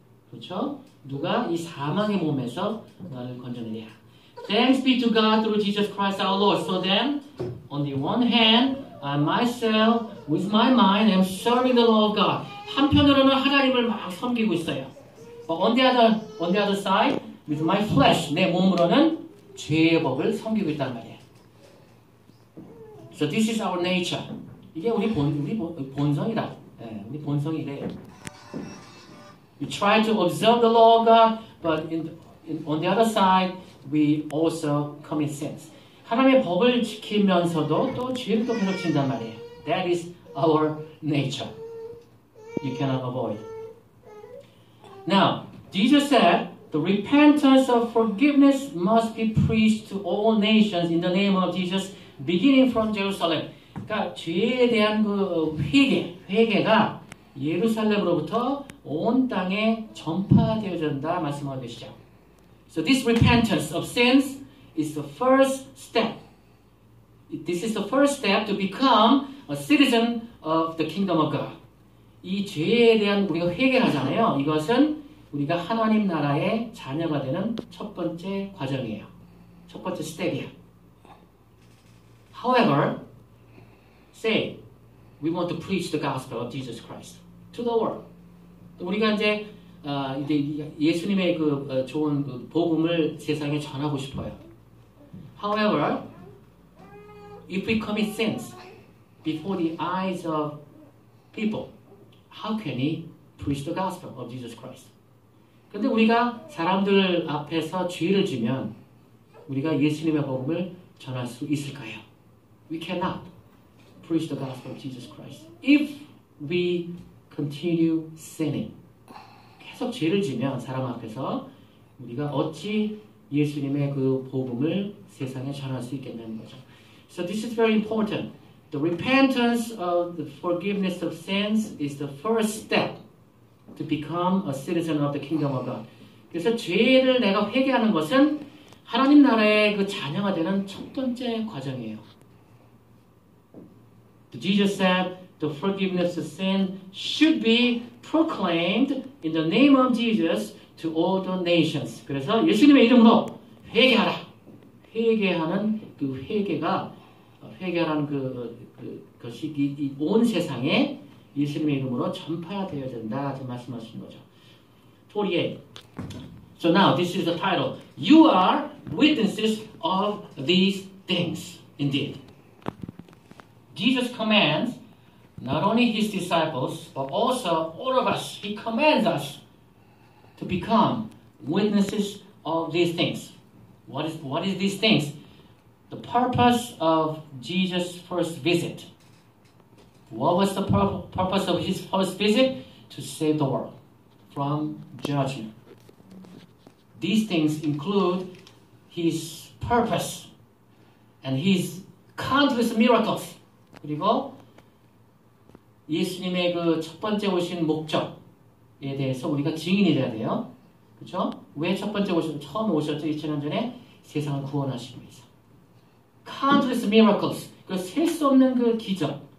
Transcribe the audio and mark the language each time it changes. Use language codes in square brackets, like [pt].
[ko] 그렇죠? 누가 이 사망의 몸에서 나를 건져내냐? [en] Thanks be to God through Jesus Christ our Lord. So then, on the one hand, I myself, with my mind, am serving the law of God. [ko] 한편으로는 하나님을 막 섬기고 있어요. [en] But on the other side, with my flesh, [ko] 내 몸으로는 죄의 법을 섬기고 있단 말이에요. [en] So this is our nature. [ko] 이게 우리 본성이다. 네, 우리 본성이래요. [en] We try to observe the law of God, but on the other side, we also commit sins. [ko] 하나님의 법을 지키면서도 또 죄를 또 계속 친단 말이에요. [en] That is our nature. You cannot avoid. Now, Jesus said, the repentance of forgiveness must be preached to all nations in the name of Jesus, beginning from Jerusalem. [ko] 그러니까 죄에 대한 그 회개가 예루살렘으로부터 온 땅에 전파되어진다 말씀하고 계시죠. [en] So this repentance of sins is the first step. This is the first step to become a citizen of the kingdom of God. [ko] 이 죄에 대한 우리가 회개하잖아요. 이것은 우리가 하나님 나라의 자녀가 되는 첫 번째 과정이에요. 첫 번째 스텝이에요. [en] However, say, we want to preach the gospel of Jesus Christ to the world. [ko] 우리가 이제 예수님의 그 좋은 그 복음을 세상에 전하고 싶어요. [en] However, if we commit sins before the eyes of people, how can we preach the gospel of Jesus Christ? [ko] 근데 우리가 사람들 앞에서 죄를 지면 우리가 예수님의 복음을 전할 수 있을까요? [en] We cannot preach the gospel of Jesus Christ if we continue sinning. [ko] 계속 죄를 지면 사람 앞에서 우리가 어찌 예수님의 그 복음을 세상에 전할 수 있겠는 거죠. [en] So this is very important. The repentance of the forgiveness of sins is the first step to become a citizen of the kingdom of God. [ko] 그래서 죄를 내가 회개하는 것은 하나님 나라의 그 자녀가 되는 첫 번째 과정이에요. [en] Jesus said, the forgiveness of sin should be proclaimed in the name of Jesus to all the nations. [ko] 그래서 예수님의 이름으로 회개하라. 회개하는 그 회개가 회개하는 그것이 이 온 세상에 예수님의 이름으로 전파되어야 된다. 저 말씀하신 거죠. [en] 48. So now this is the title. You are witnesses of these things. Indeed. Jesus commands not only his disciples, but also all of us. He commands us to become witnesses of these things. What is these things? The purpose of Jesus' first visit. What was the purpose of his first visit? To save the world from judgment. These things include his purpose and his countless miracles. [ko] 그리고 예수님의 그 첫 번째 오신 목적에 대해서 우리가 증인이 돼야 돼요. 그렇죠? 왜 첫 번째 오신, 처음 오셨죠? 2000년 전에 세상을 구원하시기 위해서. [en] Countless miracles. [ko] 그 셀 수 없는 그 기적.